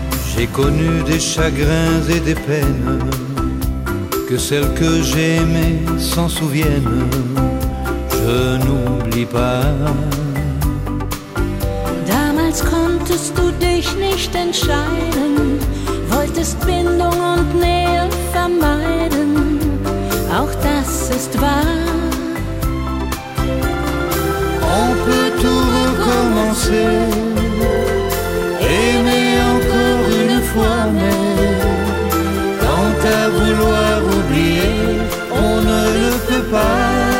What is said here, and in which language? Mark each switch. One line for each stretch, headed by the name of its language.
French: J'ai connu des chagrins et des peines, que celles que j'ai aimées s'en souviennent. Je n'oublie pas.
German: Damals konntest du dich nicht entscheiden, wolltest Bindung und Nähe vermeiden. Auch das ist wahr.
French: On peut tout recommencer, aimer encore une fois, mais quant à vouloir oublier, on ne le peut pas.